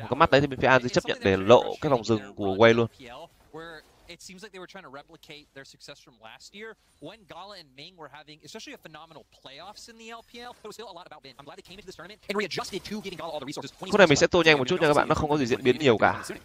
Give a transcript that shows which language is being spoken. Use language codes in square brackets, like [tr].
[vi] Có mắt đấy thì bên phía Anzi chấp nhận để lộ cái vòng rừng của Way luôn. [en] It seems like they were trying to replicate their success from last year when Gala and Ming were having especially a phenomenal playoffs in the LPL. It was still a lot about Ben. I'm glad they came into this tournament and readjusted to giving Gala all the resources. [vi] Khúc này mình sẽ tua nhanh một chút nha các bạn, nó không có gì diễn biến nhiều cả.